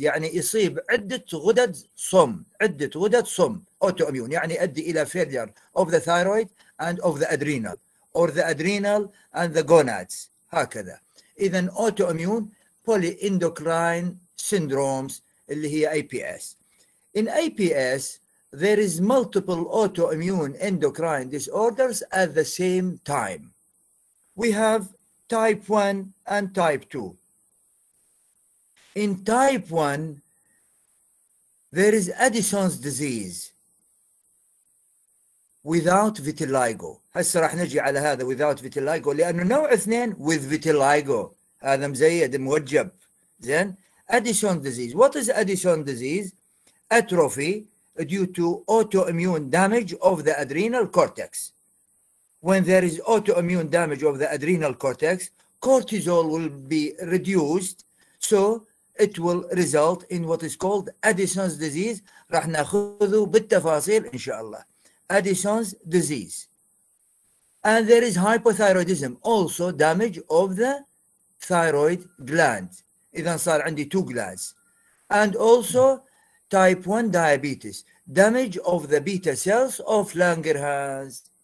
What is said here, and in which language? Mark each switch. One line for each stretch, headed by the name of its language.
Arabic: يعني يصيب عدة غدد صم أوتوأميون. يعني يؤدي إلى
English: failure of the thyroid and of the adrenal or the adrenal and the gonads.
Arabic: هكذا. إذن أوتوأميون polyendocrine syndromes اللي هي IPS.
English: In IPS there is multiple autoimmune endocrine disorders at the same time. We have type 1 and type 2. In type 1, there is Addison's disease without vitiligo.
Arabic: هسه راح نجي على هذا
English: without vitiligo
Arabic: لأنه نوع 2
English: with vitiligo.
Arabic: هذا مزيد موجب.
English: Then Addison's disease. What is Addison's disease? Atrophy due to autoimmune damage of the adrenal cortex. When there is autoimmune damage of the adrenal cortex, cortisol will be reduced, so it will result in what is called Addison's disease.
Arabic: راح ناخذه بالتفاصيل إن شاء الله.
English: Addison's disease. And there is hypothyroidism, also damage of the thyroid gland.
Arabic: إذا صار عندي
English: two glands. And also type 1 diabetes, damage of the beta cells of Langerhans.